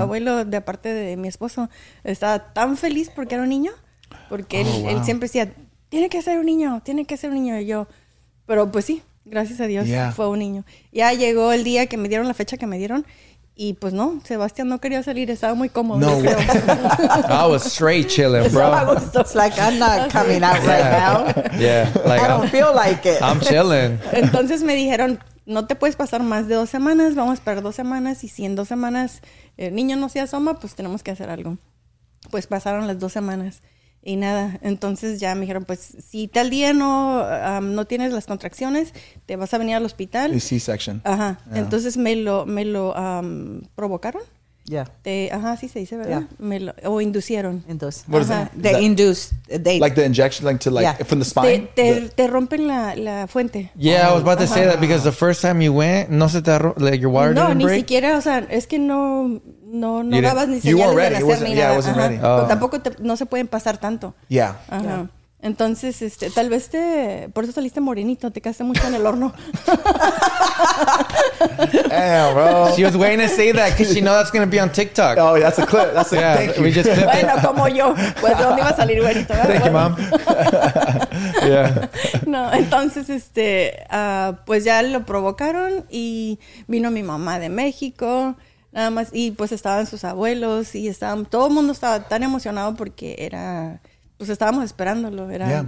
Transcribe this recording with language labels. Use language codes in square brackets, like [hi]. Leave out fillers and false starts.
[es] abuelo, de parte de mi esposo, estaba tan feliz porque era un niño... Porque oh, él siempre decía, tiene que ser un niño, tiene que ser un niño. Y yo, pero pues sí, gracias a Dios, yeah. fue un niño. Ya llegó el día que me dieron la fecha que me dieron. Y pues no, Sebastián no quería salir, estaba muy cómodo. No, pero... [en] I was straight chilling, bro. It's like, I'm not coming out yeah. right now. Yeah. Like, I don't feel like it. I'm chilling. [es] Entonces me dijeron, no te puedes pasar más de 2 semanas, vamos a esperar 2 semanas. Y si en 2 semanas el niño no se asoma, pues tenemos que hacer algo. Pues pasaron las 2 semanas. Y nada, entonces ya me dijeron, pues, si tal día no tienes las contracciones, te vas a venir al hospital. Y C-section. Ajá, yeah. entonces me lo provocaron. Ya. Yeah. Ajá, sí se dice, ¿verdad? Yeah. Inducieron. Entonces. [en] What is that? They induced. Like the injection, like to like, yeah. from the spine? [es] Te rompen la fuente. [en] Yeah, oh, I was about to uh-huh. say that because the first time you went, [es] no se te [en] like your wire [es] no, [en] didn't break? [es] No, ni siquiera, o sea, es que no... No you dabas ni señales de nacer ni nada. [en] Yeah, I wasn't ready. Oh. [es] Tampoco no se pueden pasar tanto. [en] Yeah. [es] Ajá. Yeah. Entonces, tal vez te... Por eso saliste morenito. Te quedaste mucho en el horno. [en] Damn, bro. She was waiting to say that because she knows that's going to be on TikTok. Oh, that's a clip. That's a yeah, thank you. We just clipped [es] bueno, como yo. Pues, ¿de dónde iba a salir buenito? [en] Thank [es] bueno. [en] you, mom. yeah. [es] No, entonces, pues ya lo provocaron y vino mi mamá de México... Nada más, y pues estaban sus abuelos y estaban, todo el mundo estaba tan emocionado porque era, pues estábamos esperándolo, era yeah.